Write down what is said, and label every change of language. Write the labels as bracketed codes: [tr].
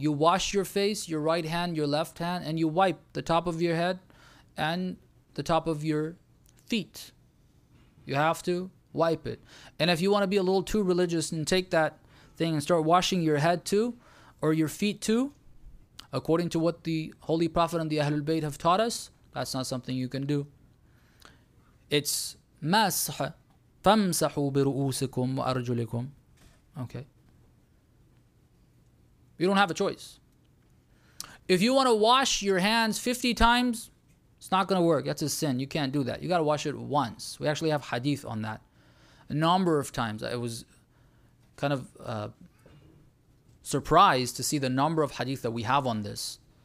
[en] You wash your face, your right hand, your left hand, and you wipe the top of your head and the top of your feet. You have to wipe it. And if you want to be a little too religious and take that thing and start washing your head too, or your feet too, according to what the Holy Prophet and the Ahlul Bayt have taught us, that's not something you can do. It's [ar] مَسْحَ فَمْسَحُوا بِرُؤُوسِكُمْ وَأَرْجُلِكُمْ. [en] Okay. You don't have a choice. If you want to wash your hands 50 times, it's not going to work. That's a sin. You can't do that. You got to wash it once. We actually have hadith on that. A number of times. It was kind of surprised to see the number of hadith that we have on this.